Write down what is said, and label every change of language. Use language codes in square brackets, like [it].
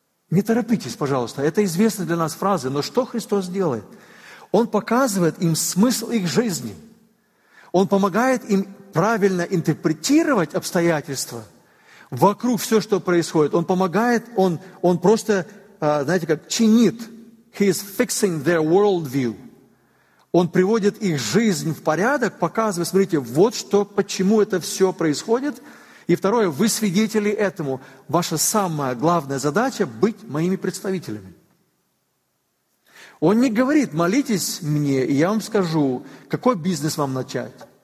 [ru] Не торопитесь, пожалуйста, это известные для нас фразы, но что Христос делает? Он показывает им смысл их жизни. Он помогает им правильно интерпретировать обстоятельства вокруг все, что происходит. Он помогает, он просто, знаете, как чинит. [en] He is fixing their worldview. [ru] Он приводит их жизнь в порядок, показывает, смотрите, вот что, почему это все происходит. И второе, вы свидетели этому. Ваша самая главная задача – быть моими представителями. Он не говорит, молитесь мне, и я вам скажу, какой бизнес вам начать.